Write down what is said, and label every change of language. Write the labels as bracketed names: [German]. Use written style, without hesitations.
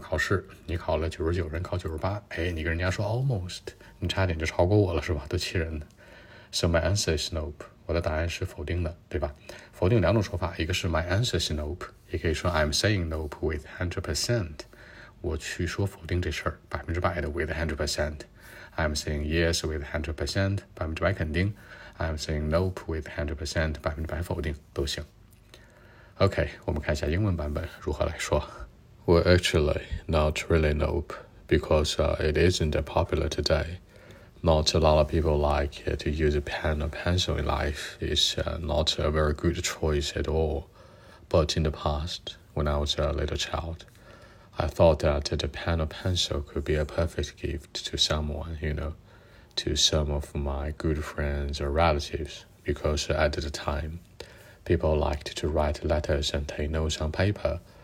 [Chinese] 考试你考了99，人考98，哎，你跟人家说 almost, 你差点就超过我了，是吧？都气人的。 [English] So my answer is nope, [Chinese] 我的答案是否定的，对吧？否定两种说法，一个是 [English] my answer is nope, [Chinese] 也可以说 [English] I'm saying nope with 100%, [Chinese] 我去说否定这事儿，100%的 with 100%。 [English] I'm saying yes with 100%, [Chinese] 100%肯定。 [English] I'm saying nope with 100%, [Chinese] 100%否定都行。 OK, 我们看一下英文版本如何来说。 [English] Well, actually, not really nope, because it isn't that popular today. Not a lot of people like to use a pen or pencil in life. It's not a very good choice at all. But in the past, when I was a little child,I thought that the pen or pencil could be a perfect gift to someone, you know, to some of my good friends or relatives, because at the time, people liked to write letters and take notes on paper.